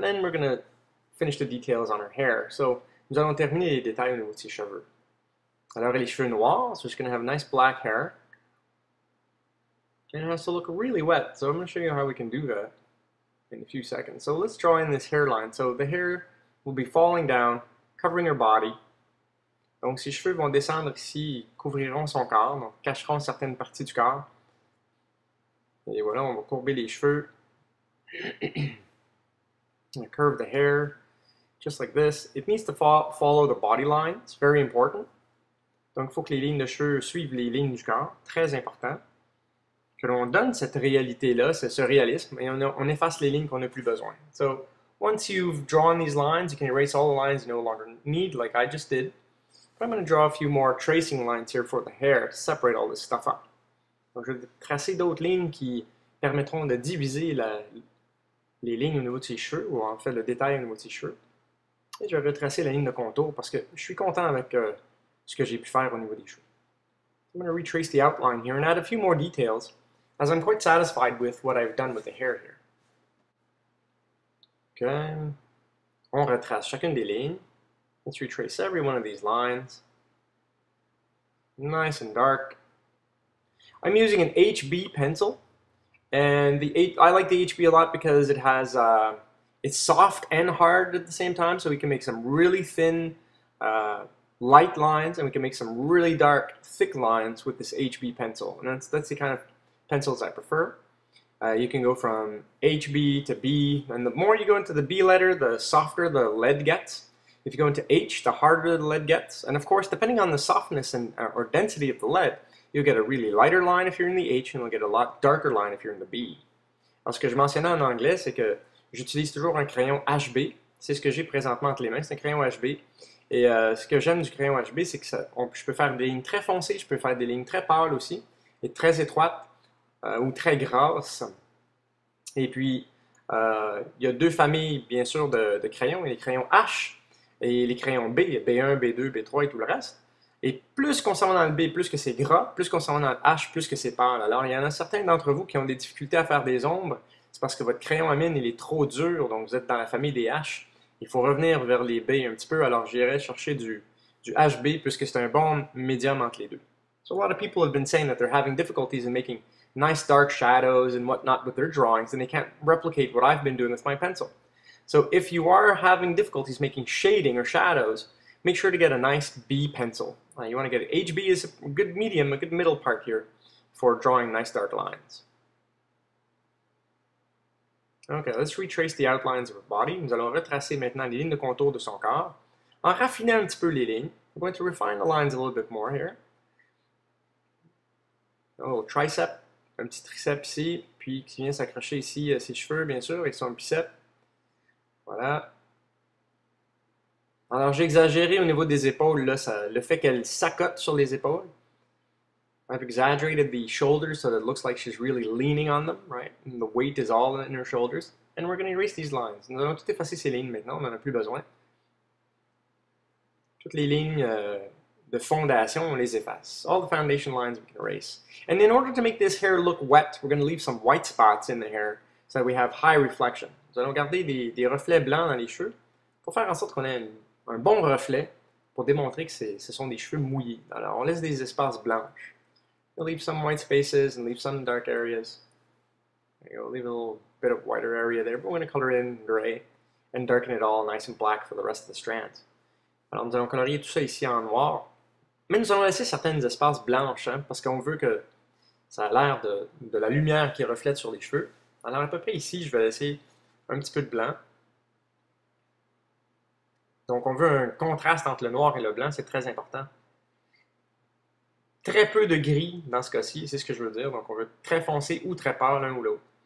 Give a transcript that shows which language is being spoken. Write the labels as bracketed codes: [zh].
[en] Then we're going to finish the details on her hair. [fr] So, nous allons terminer les détails au niveau de ses cheveux. Alors, elle a les cheveux noirs, [en] so she's going to have nice black hair. And it has to look really wet, so I'm going to show you how we can do that in a few seconds. So, let's draw in this hairline. So, the hair will be falling down, covering her body. [fr] Donc, ses cheveux vont descendre ici, couvriront son corps, donc cacheront certaines parties du corps. Et voilà, on va courber les cheveux. [en] Curve the hair, just like this. It needs to follow the body line, it's very important. [fr] Donc, il faut que les lignes de cheveux suivent les lignes du corps, très important. Que l'on donne cette réalité-là, ce réalisme, et on efface les lignes qu'on n'a plus besoin. [en] So, once you've drawn these lines, you can erase all the lines you no longer need, like I just did. I'm going to draw a few more tracing lines here for the hair to separate all this stuff up. [fr] Donc, je vais tracer d'autres lignes qui permettront de diviser les lignes au niveau de ses cheveux, ou en fait le détail au niveau de ses cheveux. Et je vais retracer la ligne de contour parce que je suis content avec ce que j'ai pu faire au niveau des cheveux. [en] I'm going to retrace the outline here and add a few more details, as I'm quite satisfied with what I've done with the hair here. Okay. [fr] On retrace chacune des lignes. [en] Let's retrace every one of these lines. Nice and dark. I'm using an HB pencil. And I like the HB a lot because it has It's soft and hard at the same time, so we can make some really thin light lines, and we can make some really dark thick lines with this HB pencil. And that's the kind of pencils I prefer. You can go from HB to B, and the more you go into the B letter, the softer the lead gets. If you go into H, the harder the lead gets. And of course, depending on the softness and or density of the lead, you'll get a really lighter line if you're in the H, and you'll get a lot darker line if you're in the B. [fr] Alors, ce que je mentionnais en anglais, c'est que j'utilise toujours un crayon HB. C'est ce que j'ai présentement entre les mains, c'est un crayon HB. Et ce que j'aime du crayon HB, c'est que ça, je peux faire des lignes très foncées, je peux faire des lignes très pâles aussi, et très étroites, ou très grasses. Et puis, il y a deux familles, bien sûr, de crayons. Il y a les crayons H et les crayons B, B1, B2, B3 et tout le reste. Et plus qu'on s'en va dans le B, plus que c'est gras, plus qu'on s'en va dans le H, plus que c'est pâle. Alors, il y en a certains d'entre vous qui ont des difficultés à faire des ombres. C'est parce que votre crayon à mine, il est trop dur, donc vous êtes dans la famille des H. Il faut revenir vers les B un petit peu, alors j'irai chercher du HB, puisque c'est un bon médium entre les deux. [en] So a lot of people have been saying that they're having difficulties in making nice dark shadows and whatnot with their drawings, and they can't replicate what I've been doing with my pencil. So if you are having difficulties making shading or shadows, make sure to get a nice B pencil. You want to get HB is a good medium, a good middle part here for drawing nice dark lines. Okay, let's retrace the outlines of her body. [fr] Nous allons retracer maintenant les lignes de contour de son corps. En raffinant un petit peu les lignes, [en] we're going to refine the lines a little bit more here. A little tricep, [fr] un petit tricep ici, puis qui vient s'accrocher ici à ses cheveux, bien sûr, et son bicep. Voilà. Alors, j'ai exagéré au niveau des épaules, là, ça, le fait qu'elle s'accote sur les épaules. [en] I've exaggerated the shoulders so that it looks like she's really leaning on them, right? And the weight is all in her shoulders. And we're going to erase these lines. [fr] Nous allons tout effacer ces lignes maintenant, on n'en a plus besoin. Toutes les lignes de fondation, on les efface. [en] All the foundation lines we can erase. And in order to make this hair look wet, we're going to leave some white spots in the hair so that we have high reflection. [fr] Nous allons garder des reflets blancs dans les cheveux pour faire en sorte qu'on ait un bon reflet pour démontrer que ce sont des cheveux mouillés. Alors, on laisse des espaces blancs. [en] Leave some white spaces and leave some dark areas. There you go, leave a little bit of whiter area there, but we're going to color it in gray and darken it all nice and black for the rest of the strands. [fr] Alors, nous allons colorier tout ça ici en noir, mais nous allons laisser certaines espaces blanches, hein, parce qu'on veut que ça a l'air de la lumière qui reflète sur les cheveux. Alors, à peu près ici, je vais laisser un petit peu de blanc. Donc, on veut un contraste entre le noir et le blanc, c'est très important. Très peu de gris dans ce cas-ci, c'est ce que je veux dire. Donc, on veut très foncé ou très pâle, l'un ou l'autre.